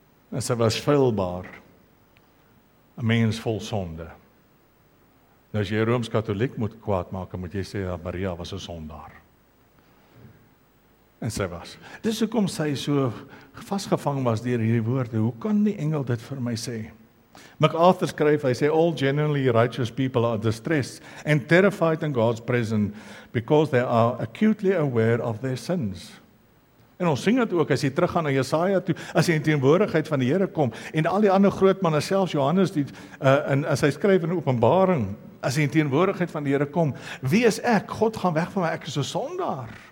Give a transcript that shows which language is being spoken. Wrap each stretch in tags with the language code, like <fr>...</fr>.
<af>En sy was feilbaar, 'n mens vol sonde. En as jy Rooms-Katoliek moet kwaad maak, moet jy sê dat Maria was 'n sondaar. En sy was. Dis hoekom sy so vasgevang was deur hierdie woorde. Hoe kan die engel dit vir my sê?</af> <en>MacArthur</en> <af>skryf, hy sê,</af> <en>all genuinely righteous people are distressed and terrified in God's presence because they are acutely aware of their sins.</en> <af>En ons sing het ook, as jy teruggaan na Jesaja toe, as jy in teenwoordigheid van die Here kom, en al die ander groot manne, selfs Johannes, as hy skryf in Openbaring, as jy in teenwoordigheid van die Here kom, wie is ek? God gaan weg van my, ek is 'n sondaar.</af>